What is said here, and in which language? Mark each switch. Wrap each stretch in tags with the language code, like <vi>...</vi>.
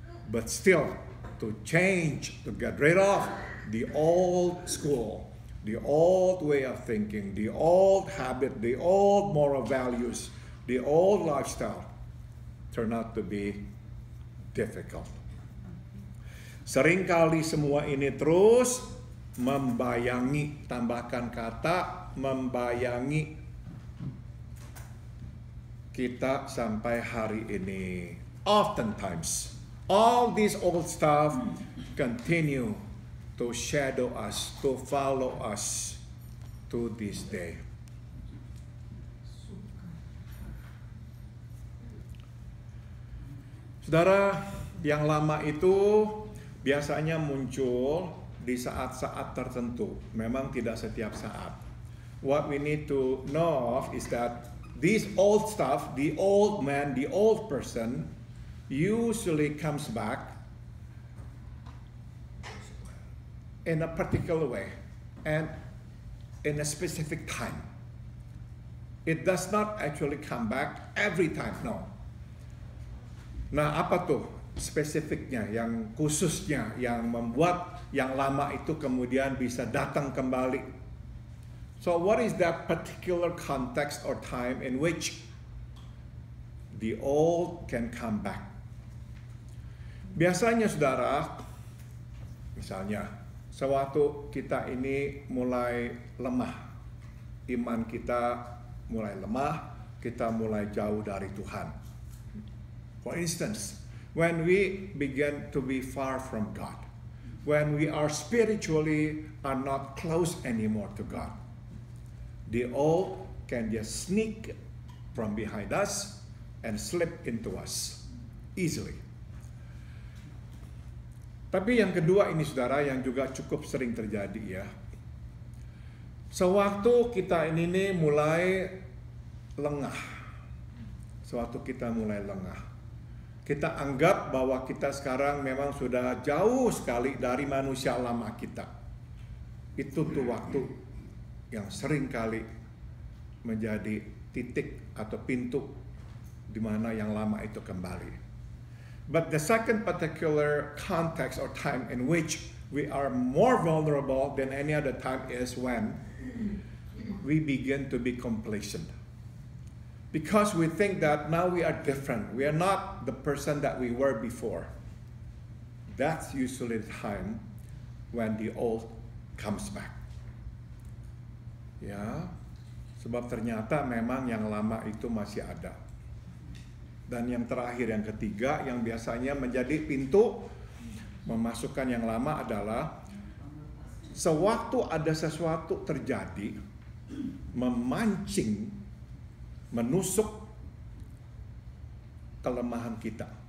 <en>But still, to change, to get rid of the old school, the old way of thinking, the old habit, the old moral values, the old lifestyle, turn out to be difficult.</en> <id>Seringkali semua ini terus membayangi, tambahkan kata, membayangi kita sampai hari ini.</id> <en>Oftentimes, all this old stuff continue to shadow us, to follow us to this day.</en> <id>Saudara, yang lama itu biasanya muncul di saat-saat tertentu. Memang tidak setiap saat.</id> <en>What we need to know of is that this old stuff, the old man, the old person, usually comes back in a particular way and in a specific time. It does not actually come back every time, no.</en> <id>Nah, apa tuh spesifiknya, yang khususnya, yang membuat yang lama itu kemudian bisa datang kembali?</id> <en>So what is that particular context or time in which the old can come back?</en> <id>Biasanya saudara, misalnya sewaktu kita ini mulai lemah, iman kita mulai lemah, kita mulai jauh dari Tuhan.</id> <en>For instance, when we begin to be far from God, when we are spiritually are not close anymore to God, the old can just sneak from behind us and slip into us easily.</en> <id>Tapi yang kedua ini saudara, yang juga cukup sering terjadi ya. Sewaktu kita ini mulai lengah, sewaktu kita mulai lengah, kita anggap bahwa kita sekarang memang sudah jauh sekali dari manusia lama kita. Itu tuh waktu yang sering kali menjadi titik atau pintu di mana yang lama itu kembali.</id> <en>But the second particular context or time in which we are more vulnerable than any other time is when we begin to be complacent. Because we think that now we are different. We are not the person that we were before. That's usually the time when the old comes back.</en> <id>Ya, sebab ternyata memang yang lama itu masih ada. Dan yang terakhir, yang ketiga, yang biasanya menjadi pintu memasukkan yang lama adalah sewaktu ada sesuatu terjadi, memancing, menusuk kelemahan kita.</id>